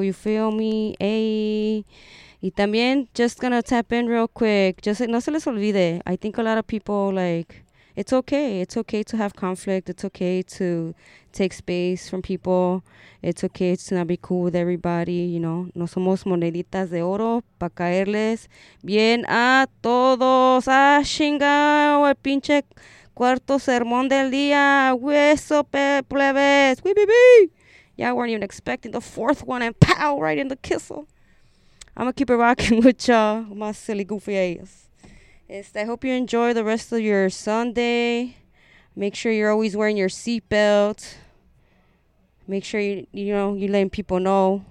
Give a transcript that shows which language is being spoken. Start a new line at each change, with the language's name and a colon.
English: You feel me? Hey.
Spanish: Y también,
English: just gonna tap in real quick.
Spanish: Just no se les olvide.
English: I think a lot of people, like, it's okay. It's okay to have conflict. It's okay to take space from people. It's okay to not be cool with everybody, you know.
Spanish: No somos moneditas de oro para caerles bien a todos. Ah, chingao, el pinche cuarto sermón del día. Hueso plebes. Wee, wee, wee.
English: Y'all weren't even expecting the fourth one and pow, right in the kissel. I'ma keep it rocking with y'all, my silly goofy ass. I hope you enjoy the rest of your Sunday. Make sure you're always wearing your seatbelt. Make sure you're letting people know.